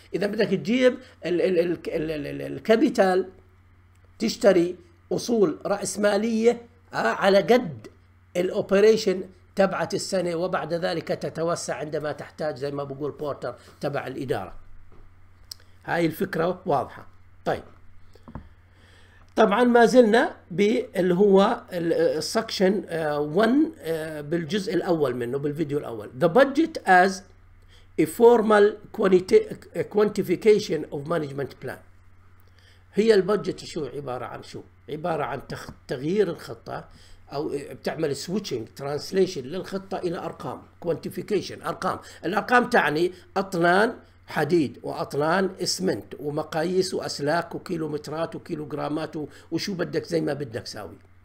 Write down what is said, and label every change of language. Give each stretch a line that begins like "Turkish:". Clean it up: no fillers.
Arabic: اذا بدك تجيب الكابيتال تشتري اصول راسماليه على قد الاوبريشن تبعت السنة، وبعد ذلك تتوسع عندما تحتاج زي ما بقول بورتر تبع الإدارة. هاي الفكرة واضحة. طيب طبعا ما زلنا باللي هو السكشن 1 بالجزء الأول منه، بالفيديو الأول.
English: The budget as a formal quantification of management plan.
Arabic: هي البادجت شو عبارة عن شو؟ عبارة عن تغيير الخطة، او بتعمل
English: سويتشنج ترانسليشن
Arabic: للخطه الى ارقام، كوانتيفيكيشن ارقام. الارقام تعني اطنان حديد واطنان اسمنت ومقاييس واسلاك وكيلومترات وكيلوغرامات وشو بدك زي ما بدك ساوي.